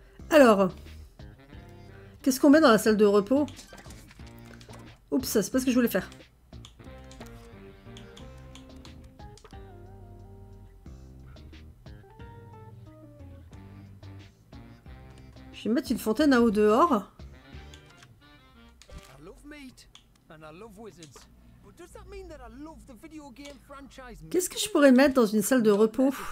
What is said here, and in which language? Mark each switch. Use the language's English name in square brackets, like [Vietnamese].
[French] Alors, qu'est-ce qu'on met dans la salle de repos? Oups, c'est pas ce que je voulais faire. Je vais mettre une fontaine à eau dehors. [English] I love meat and I love wizards. But does that mean that I love the video game franchise? [French] Qu'est-ce que je pourrais mettre dans une salle de repos?